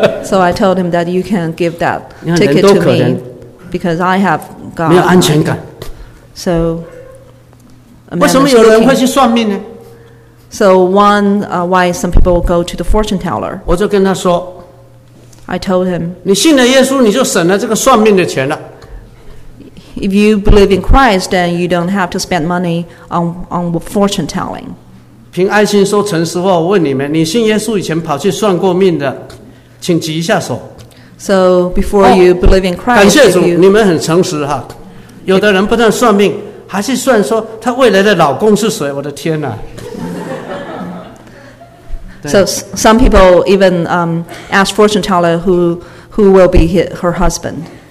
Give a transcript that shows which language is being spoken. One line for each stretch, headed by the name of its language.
English: So I told him that you can give that ticket to me because I have God.
Chinese: 没有安全感。
English: So
Chinese: 为什么有人会去算命呢？
English: So one, why some people go to the fortune teller?
Chinese: 我就跟他说。
English: I told him,
Chinese: 你信了耶稣, 你就省了这个算命的钱了。
English: If you believe in Christ, then you don't have to spend money on fortune telling.
Chinese: 凭爱心说诚实话, 我问你们, 你信耶稣以前跑去算过命的, 请举一下手。
English: So before you believe in Christ,
Chinese: 感谢主, 你们很诚实哈。有的人不但算命, 还是算说他未来的老公是谁, 我的天哪。
English: So some people even ask fortune teller who will be her husband.